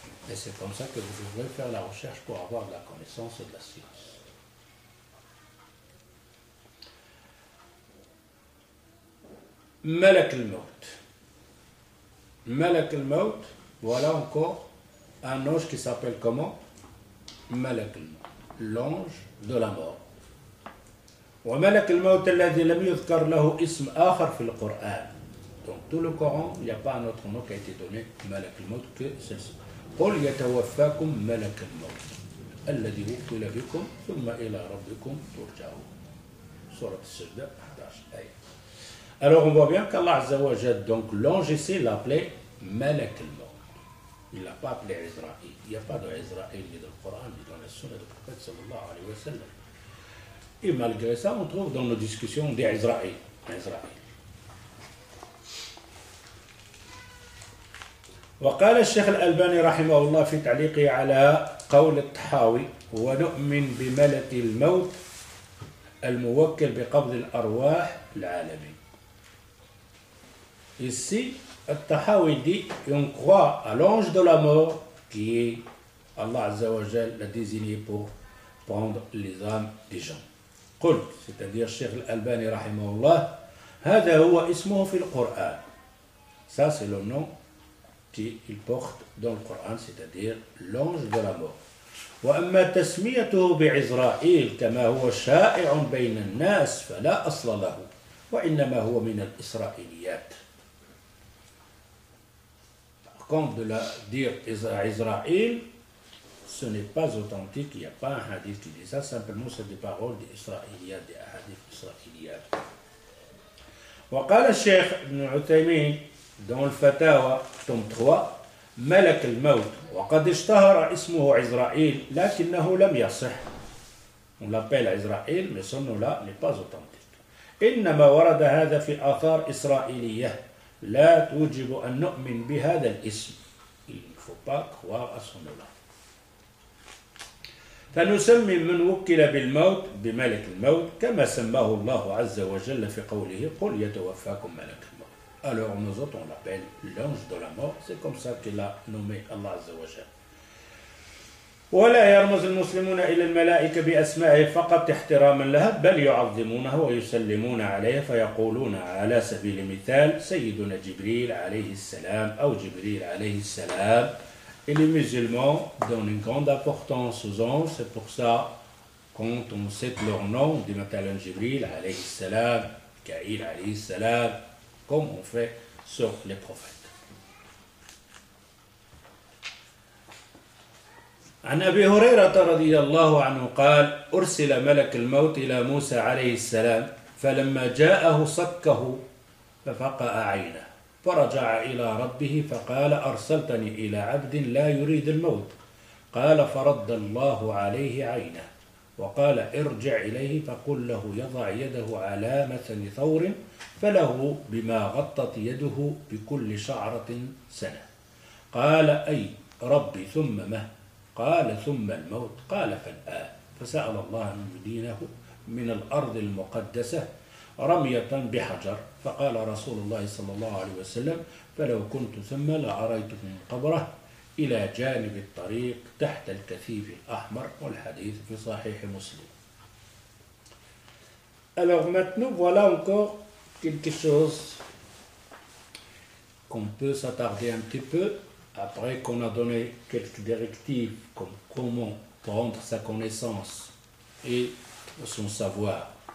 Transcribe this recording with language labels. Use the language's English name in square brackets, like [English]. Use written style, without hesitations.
[French] Et c'est comme ça que vous devrez faire la recherche pour avoir de la connaissance et de la science. Malak al-Maut. Malak al-Maut, voilà encore un ange qui s'appelle comment? Malak al-Maut, l'ange de la mort. [Arabic] وملك الموت الذي لم يذكر له اسم آخر في القرآن. [French] Donc tout le Coran, il n'y a pas un autre nom qui a été donné ملك الموت que celle-ci. [Arabic] قل يتوفاكم ملك الموت الذي وكل بكم ثم إلى ربكم ترجعون. سورة السجدة 11 آية. [French] Alors on voit bien qu'Allah Azza wa Jal, donc l'ange ici l'a appelé ملك الموت. Il ne l'a pas appelé Israël. Il n'y a pas de Israël ni dans le Coran ni dans la Sunna du Prophète sallallahu alayhi wa sallam. Et malgré ça, on trouve dans nos discussions des Israël. [Arabic] وقال الشيخ الألباني رحمه الله في تعليقه على قول الطحاوي: ونؤمن بملك الموت الموكل بقبض الأرواح العالمي. [French] Ici, الطحاوي dit qu'on croit à l'ange de la mort qui est Allah Azza wa Jal l'a désigné pour prendre les âmes des gens. [Arabic] قل, [French] c'est-à-dire [Arabic] الشيخ الألباني رحمه الله, هذا هو اسمه في القرآن. [French] Ça, c'est le nom qu'il porte dans le Coran, c'est-à-dire l'ange de la mort. [Arabic] وأما تسميته بعزرائيل كما هو شائع بين الناس فلا أصل له وإنما هو من الإسرائيليات. [French] Par contre, de la dire Israël, ce n'est pas authentique, il n'y a pas un hadith qui dit ça, simplement c'est des paroles des Israéliens, des hadiths Israéliens. [Arabic] وقال الشيخ ابن عثيمين [French] dans le Fatawa, tome 3, [Arabic] ملك الموت وقد اشتهر اسمه عزرائيل لكنه لم يصح. [French] On l'appelle عزرائيل mais son nom là n'est pas authentique. [Arabic] إنما ورد هذا في آثار إسرائيلية لا توجب أن نؤمن بهذا الاسم. [French] Il ne faut pas croire à son nom là. [Arabic] فنسمي من وكل بالموت بملك الموت كما سماه الله عز وجل في قوله قل يتوفاكم ملك. [French] Alors nous autres, on l'appelle l'ange de la mort. C'est comme ça qu'il a nommé Allah Azza wa Jal. [Arabic] ولا يرمز المسلمون إلى الملائكة بأسمائه فقط احتراما لها بل يعظمونه ويسلمون عليه فيقولون على سبيل المثال سيدنا جبريل عليه السلام أو جبريل عليه السلام. [French] Et les musulmans donnent une grande importance aux anges. C'est pour ça, quand on cite leur nom, on dit maintenant Jibril عليه السلام, Kaïl عليه السلام, comme on fait sur les prophètes. [Arabic] عن أبي هريرة رضي الله عنه قال أرسل ملك الموت إلى موسى عليه السلام فلما جاءه صكه ففقأ عينه فرجع إلى ربه فقال أرسلتني إلى عبد لا يريد الموت قال فرد الله عليه عينه وقال ارجع إليه فقل له يضع يده على مثل ثور فله بما غطت يده بكل شعرة سنة قال أي ربي ثم ما قال ثم الموت قال فالآن فسأل الله أن يدينه من الأرض المقدسة رمية بحجر فقال رسول الله صلى الله عليه وسلم فلو كنت ثم لأريتك من قبره إلى جانب الطريق تحت الكثيف الأحمر والحديث في صحيح مسلم. [French] Alors maintenant voilà encore quelque chose qu'on peut s'attarder un petit peu après qu'on a donné quelques directives comme comment prendre sa connaissance et son savoir.